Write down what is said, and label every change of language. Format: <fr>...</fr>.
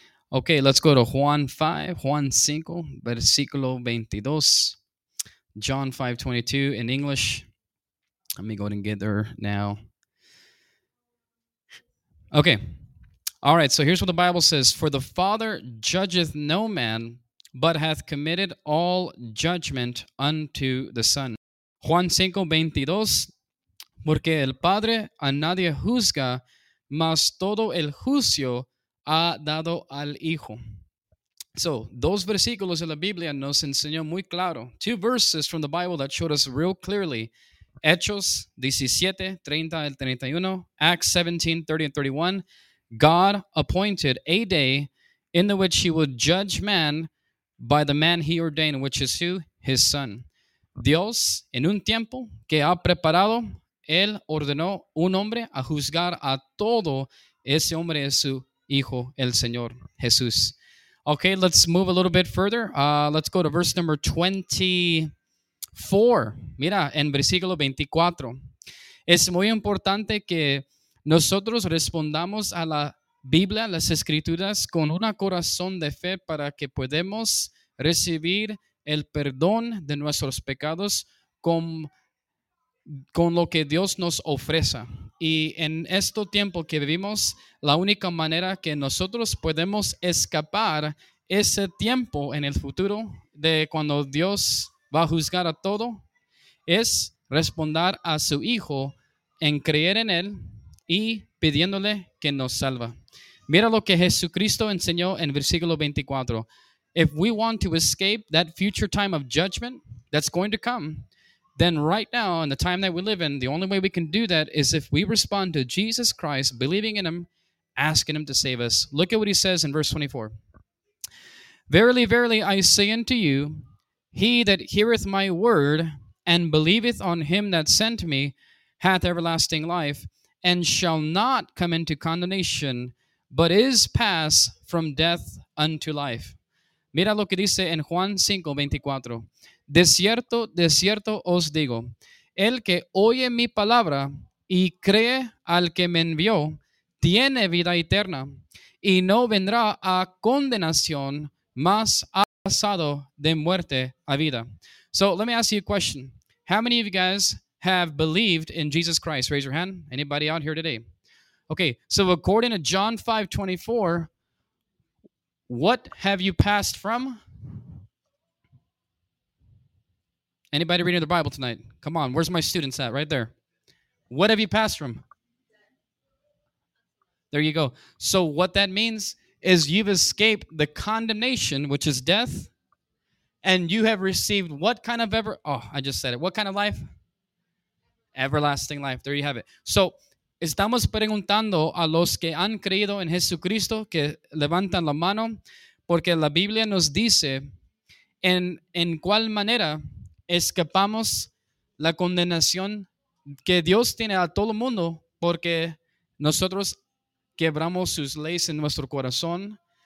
<en>Okay, let's go to Juan 5, Juan 5, versículo 22, John 5, 22 in English. Let me go ahead and get there now. Okay, all right, so here's what the Bible says. For the Father judgeth no man, but hath committed all judgment unto the Son.</en> <es>Juan 5, 22, porque el Padre a nadie juzga, mas todo el juicio ha dado al Hijo. So, dos versículos de la Biblia nos enseñó muy claro.</es> <en>Two verses from the Bible that showed us real clearly.</en> <es>Hechos 17, 30 al 31.</es> <en>Acts 17, 30 and 31. God appointed a day in the which he would judge man by the man he ordained, which is who? His Son.</en> <es>Dios, en un tiempo que ha preparado, él ordenó un hombre a juzgar a todo. Ese hombre es su Hijo, el Señor, Jesús.</es> <en>Okay, let's move a little bit further. Let's go to verse number 24.</en> <es>Mira, en versículo 24. Es muy importante que nosotros respondamos a la Biblia, las Escrituras, con un corazón de fe para que podamos recibir el perdón de nuestros pecados con lo que Dios nos ofrece. Y en este tiempo que vivimos, la única manera que nosotros podemos escapar ese tiempo en el futuro de cuando Dios va a juzgar a todo, es responder a su Hijo en creer en Él y pidiéndole que nos salva. Mira lo que Jesucristo enseñó en versículo 24.</es> <en>If we want to escape that future time of judgment that's going to come, then right now, in the time that we live in, the only way we can do that is if we respond to Jesus Christ, believing in him, asking him to save us. Look at what he says in verse 24. Verily, verily, I say unto you, he that heareth my word and believeth on him that sent me hath everlasting life and shall not come into condemnation, but is passed from death unto life.</en> <es>Mira lo que dice en Juan 5, 24. De cierto os digo, el que oye mi palabra y cree al que me envió, tiene vida eterna, y no vendrá a condenación, mas ha pasado de muerte a vida.</es> <en>So let me ask you a question. How many of you guys have believed in Jesus Christ? Raise your hand. Anybody out here today? Okay, so according to John 5, 24, what have you passed from? Anybody reading the Bible tonight? Come on, where's my students at? Right there. What have you passed from? There you go. So what that means is you've escaped the condemnation, which is death, and you have received what kind of What kind of life? Everlasting life. There you have it.</en> <es>So estamos preguntando a los que han creído en Jesucristo que levantan la mano, porque la Biblia nos dice en cuál manera escapamos la condenación que Dios tiene a todo el mundo porque nosotros quebramos sus leyes en nuestro corazón.</es>